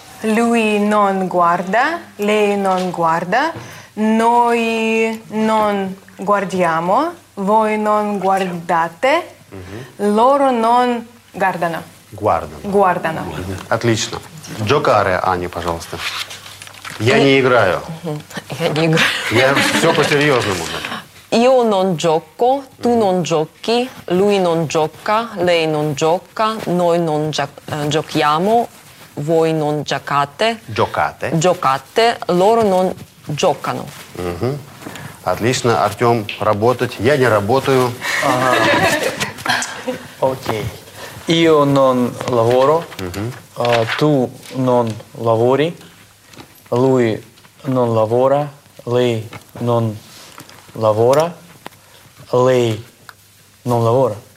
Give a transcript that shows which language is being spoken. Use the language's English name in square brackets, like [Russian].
[Italian] «Lui non guarda». «Lei non guarda». «Noi non guardiamo». «Voi non guardate». «Loro non guardano». «Guardano». [Russian] Отлично. «Giocare», Аня, пожалуйста. Я не играю. Я не играю. Я все по-серьезному. [Italian] Io non gioco, tu non giochi, lui non gioca, lei non gioca, noi non giochiamo, voi non giocate. Giocate. Giocate, loro non giocano. [Russian] Угу. Отлично, Артём, работать. Я не работаю. Окей. [Italian] Io non lavoro, tu non lavori, lui non lavora, lei non lavora, lei non lavora.